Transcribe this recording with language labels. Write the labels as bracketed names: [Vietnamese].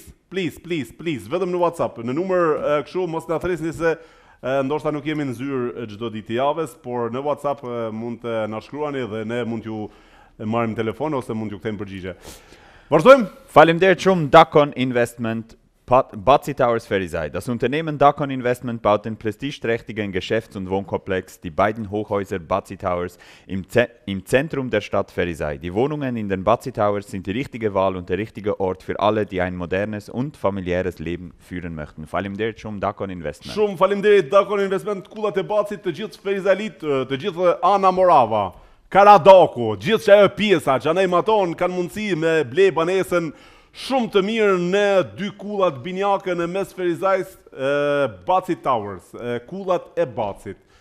[Albanian] Please, vetëm në WhatsApp, në numër kështu mos na thresni se ndoshta nuk jemi në zyrë çdo ditë të javës, por në WhatsApp mund të na shkruani dhe ne mund t'ju marrim telefon ose mund t'ju kthejmë përgjigje. Vazhdojmë. Faleminderit shumë Dakon Investment Batzi Towers Ferizaj. [German] Das Unternehmen Dakon Investment baut den prestigeträchtigen Geschäfts- und Wohnkomplex, die beiden Hochhäuser Batzi Towers, im Zentrum der Stadt Ferizaj. Die Wohnungen in den Batzi Towers sind die richtige Wahl und der richtige Ort für alle, die ein modernes und familiäres Leben führen möchten. [Albanian] Faleminderit shumë Dakon Investment. Shumë faleminderit Dakon Investment, kullat e Batzit, të gjithë Ferizajlit, të gjithë Ana Morava, Karadoku, gjithë që ajo pjesa që anaj maton kanë mundësi me ble banesën shumë të mirë në dy kullat binjake në mes Ferizajs, Batzi Towers, kullat e Batzit.